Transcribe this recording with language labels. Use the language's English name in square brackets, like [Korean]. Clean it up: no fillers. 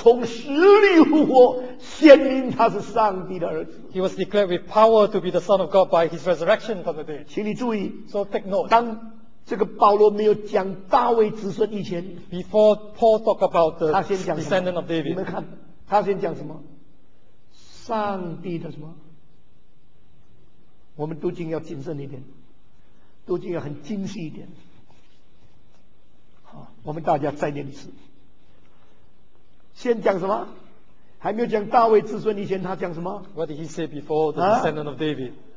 [Chinese] 从实力复活，显明他是上帝的儿子。 [English] He was declared with power to be the son of God by his resurrection from the dead. [Chinese] 请你注意， [English] so take note. [Chinese] 当这个保罗没有讲大卫子孙以前， [English] before Paul talk about the descendant of David, [Chinese] 你们看，他先讲什么？上帝的什么？我们读经要谨慎一点，读经要很精细一点。好，我们大家再念一次。先讲什么？还没有讲大卫子孙以前，他讲什么 [English] ？What did he say before the descendant of David？